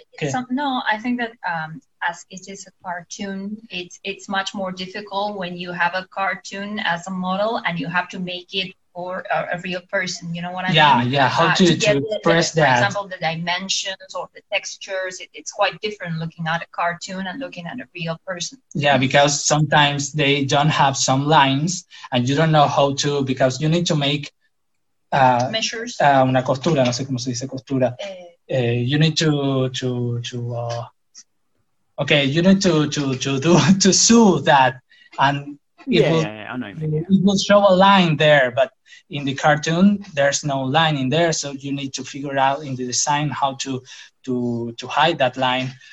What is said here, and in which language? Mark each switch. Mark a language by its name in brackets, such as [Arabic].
[English] I think that as it is a cartoon, it's much more difficult when you have a cartoon as a model and you have to make it for a real person. You know what I mean? Yeah. How to express that. For example, the dimensions or the textures, it's quite different looking at a cartoon and looking at a real person. Yeah, because sometimes they don't have some lines and you don't know how to, because you need to make... measures. [Spanish] Una costura, no sé cómo se dice costura. [English] You need to sew that and it will show a line there, but in the cartoon there's no line in there, so you need to figure out in the design how to hide that line.